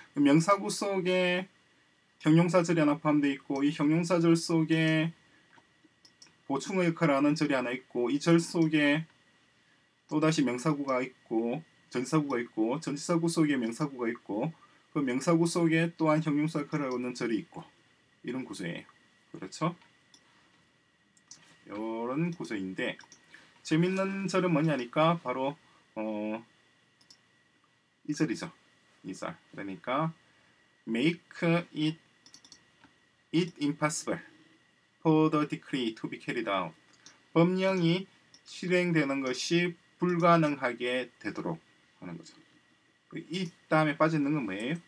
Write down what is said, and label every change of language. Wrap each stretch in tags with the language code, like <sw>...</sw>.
<ko>명사구 속에 형용사절이 하나 포함되어 있고, 이 형용사절 속에 보충의 역할을 하는 절이 하나 있고, 이절 속에 또다시 명사구가 있고, 전치사구가 있고, 전치사구 속에 명사구가 있고, 그 명사구 속에 또한 형용사 역할을 하는 절이 있고, 이런 구조예요. 그렇죠? 이런 구조인데, 재밌는 절은 뭐냐니까, 바로, 이 절이죠. 이 절.</ko> <en>그러니까, make it impossible for the decree to be carried out.</en> <ko>법령이 실행되는 것이 불가능하게 되도록 하는 거죠. it 다음에 빠져있는 건 뭐예요?</ko>